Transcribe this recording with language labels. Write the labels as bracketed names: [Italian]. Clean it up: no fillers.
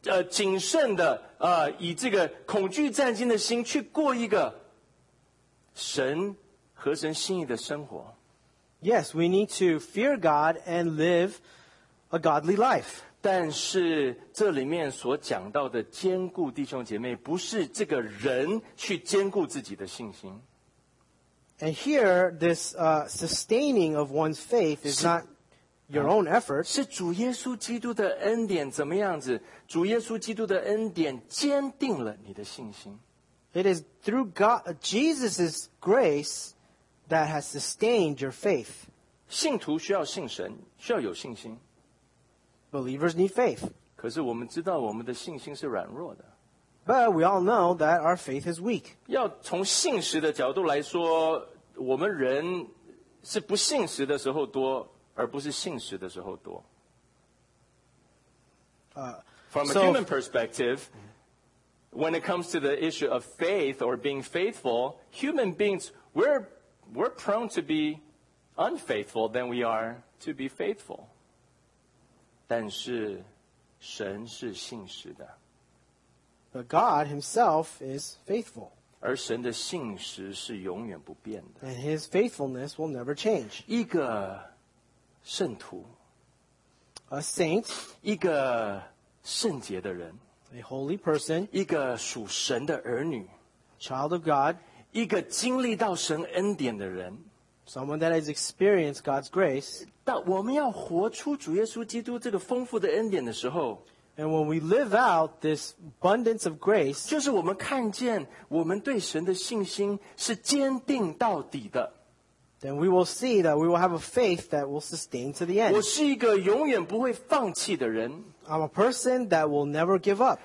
[Chinese] 谨慎的以这个恐惧战兢的心去过一个神合神心意的生活。 [English] Yes, we need to fear God and live a godly life. [Chinese] 但是这里面所讲到的坚固弟兄姐妹，不是这个人去坚固自己的信心。 [English] And here, this sustaining of one's faith is not your own effort. [Chinese] 是主耶稣基督的恩典怎么样子？主耶稣基督的恩典坚定了你的信心。 [English] It is through God, Jesus' grace that has sustained your faith. [Chinese] 信徒需要信神，需要有信心。 [English] Believers need faith. [Chinese] 可是我们知道我们的信心是软弱的。 [English] But we all know that our faith is weak. [Chinese] 要从信实的角度来说，我们人是不信实的时候多，而不是信实的时候多。 [English] From a human perspective, when it comes to the issue of faith or being faithful, human beings, we're prone to be unfaithful than we are to be faithful. [Chinese] 但是神是信实的。 [English] But God himself is faithful. [Chinese] 而神的信实是永远不变的。 [English] And his faithfulness will never change. [Chinese] 一个圣徒。 [English] A saint. [Chinese] 一个圣洁的人。 [English] A holy person. [Chinese] 一个属神的儿女。 [English] Child of God. [Chinese] 一个经历到神恩典的人。 [English] Someone that has experienced God's grace. [Chinese] 但我们要活出主耶稣基督这个丰富的恩典的时候， [English] And when we live out this abundance of grace, [Chinese] 就是我们看见我们对神的信心是坚定到底的。 [English] Then we will see that we will have a faith that will sustain to the end. [Chinese] 我是一个永远不会放弃的人。 [English] I'm a person that will never give up.